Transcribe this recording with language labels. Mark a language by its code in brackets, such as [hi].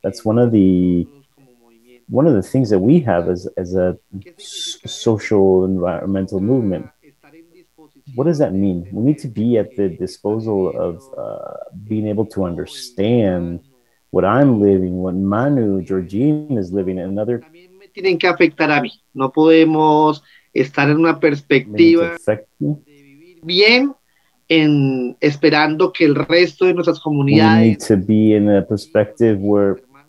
[en] That's one of the things that we have as a social environmental movement. What does that mean? We need to be at the disposal of being able to understand what I'm living, what Manu, Georgine is living, and other [es] me tienen que afectar a mí. No podemos estar en una perspectiva de vivir bien en esperando que el resto de nuestras comunidades. [en] We need to be in a perspective where